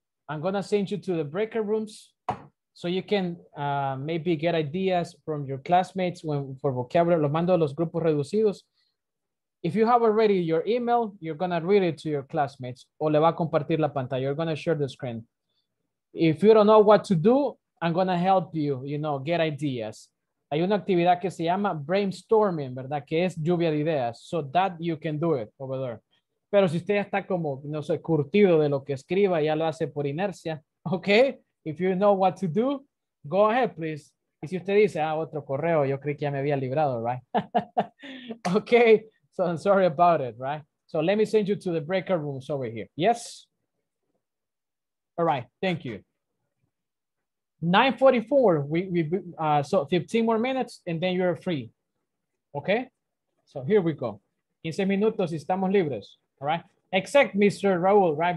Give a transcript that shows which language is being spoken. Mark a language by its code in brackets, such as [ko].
[en] I'm gonna send you to the breakout rooms so you can maybe get ideas from your classmates for vocabulary. [es] Lo mando a los grupos reducidos. [en] If you have already your email, you're gonna read it to your classmates [es] o le va a compartir la pantalla. [en] You're gonna share the screen. If you don't know what to do, I'm gonna help you, you know, get ideas. [es] Hay una actividad que se llama brainstorming, ¿verdad? Que es lluvia de ideas. [en] So that you can do it over there. [es] Pero si usted ya está como, no sé, curtido de lo que escriba, ya lo hace por inercia. [en] Okay, if you know what to do, go ahead, please. [es] Y si usted dice, otro correo, yo creí que ya me había librado, right? [en] Okay, so I'm sorry about it, right? So let me send you to the breakout rooms over here. Yes? All right, thank you. 9:44, so 15 more minutes and then you're free. Okay, so here we go. [es] 15 minutos y estamos libres, [en] all right? Except Mr. Raul, right?